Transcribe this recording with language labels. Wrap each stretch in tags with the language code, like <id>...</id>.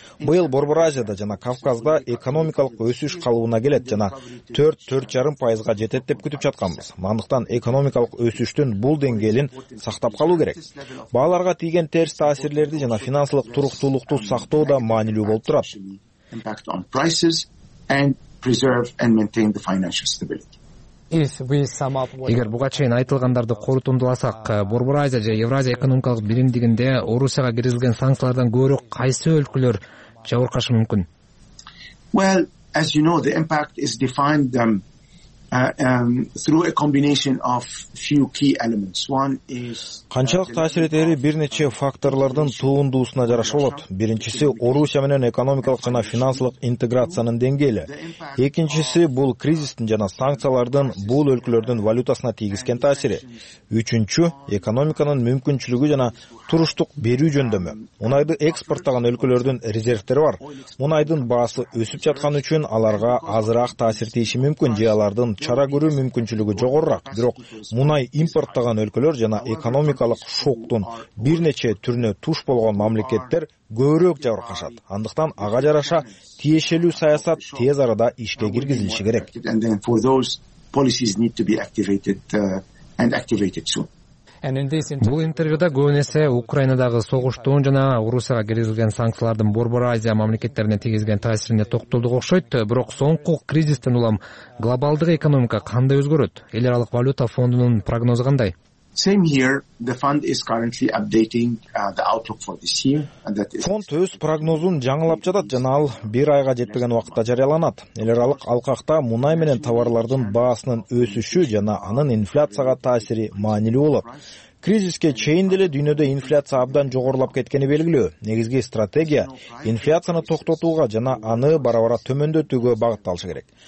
<ky>Быйыл Борбор Азияда жана Кавказда экономикалык өсүш калыбына келет жана 4-4.5% жетет деп күтүп жатканбыз. Андыктан экономикалык өсүштүн бул деңгээлин сактап калуу керек. Бааларга тийген терс таасирлерди жана финансылык туруктуулукту сактоо да маанилүү болуп турат.</ky> <en>Impact on prices and preserve and maintain the financial stability.</en> <ky>Эгер буга чейин айтылгандарды корутундуласак, Борбор Азия же Евразия экономикалык биримдигинде Орусияга киргизилген санкциялардан көрө кайсы өлкөлөр жабыркашы мүмкүн?</ky> <en>Well, as you know, the impact is defined through a combination of few key elements. One is</en> <ky>канчалык таасир этери бир нече факторлордун туундуусуна жараша болот. Биринчиси Орусия менен экономикалык жана финансылык интеграциянын деңгээли. Экинчиси бул кризистин жана санкциялардын бул өлкөлөрдүн валютасына тийгизген таасири. Үчүнчү экономиканын мүмкүнчүлүгү жана туруштук берүү жөндөмү. Мунайды экспорттогон өлкөлөрдүн резервтери бар. Мунайдын баасы өсүп жаткан үчүн аларга азыраак таасир тийиши мүмкүн же алардын чара көрүү мүмкүнчүлүгү жогорураак. Бирок мунай импорттогон өлкөлөр жана экономикалык шоктун бир нече түрүнө туш болгон мамлекеттер көбүрөөк жабыркашат. Андыктан ага жараша тиешелүү саясат тез арада ишке киргизилиши керек. Бул интервьюда көбүнесе Украинадагы согуштун жана Орусияга киргизилген санкциялардын Борбор Азия мамлекеттерине тийгизген таасирине токтолду окшойт, бирок соңку кризистен улам глобалдык экономика кандай өзгөрөт? Эл аралык валюта фондунун прогнозу кандай?</ky> <en>Same here, the fund is currently updating the outlook for this year and that is</en> <ky>фонд өз прогнозун жаңылап жатат жана ал бир айга жетпеген убакытта жарыяланат. Эл аралык алкакта мунай менен товарлардын баасынын өсүшү жана анын инфляцияга таасири маанилүү болот. Кризиске чейин деле дүйнөдө инфляция абдан жогорулап кеткени белгилүү. Негизги стратегия инфляцияны токтотууга жана аны бара-бара төмөндөтүүгө багытталышы керек.</ky>